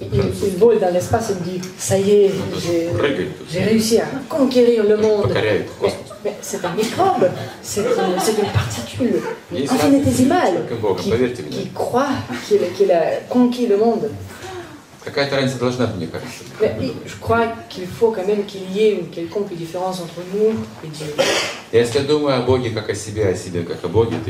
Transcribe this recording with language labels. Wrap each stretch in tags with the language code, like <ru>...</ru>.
<fr>Il vole dans l'espace et dit, ça y est, j'ai réussi à conquérir le monde.</fr> <ru>Покоряет космос.</ru> <fr>Mais c'est un microbe, c'est une particule infinitésimale qui croit qu'il a conquis le monde.</fr> <ru>Какая-то разница должна быть, мне кажется.</ru> <fr>Je crois qu'il faut quand même qu'il y ait une quelconque différence entre nous et Dieu.</fr> <ru>Если я думаю о Боге как о себе как о Боге, то</ru>